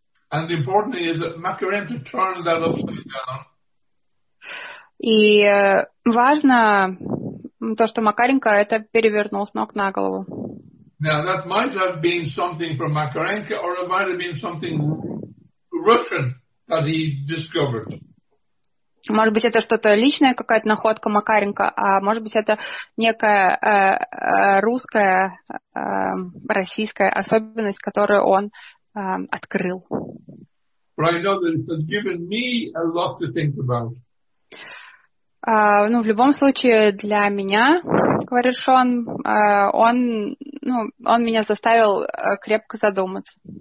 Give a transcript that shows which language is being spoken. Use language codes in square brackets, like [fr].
[en] And the important thing is that Макаренко turned that upside down. [ru] И важно то, что Макаренко это перевернул с ног на голову. [en] Now that might have been something from Макаренко, or it might have been something Russian. That he discovered. [ru] Может быть, это что-то личное, какая-то находка Макаренко, а может быть, это некая русская, российская особенность, которую он открыл. [en] But I know that it has given me a lot to think about. [ru] В любом случае, для меня, говорит Шон, он меня заставил крепко задуматься.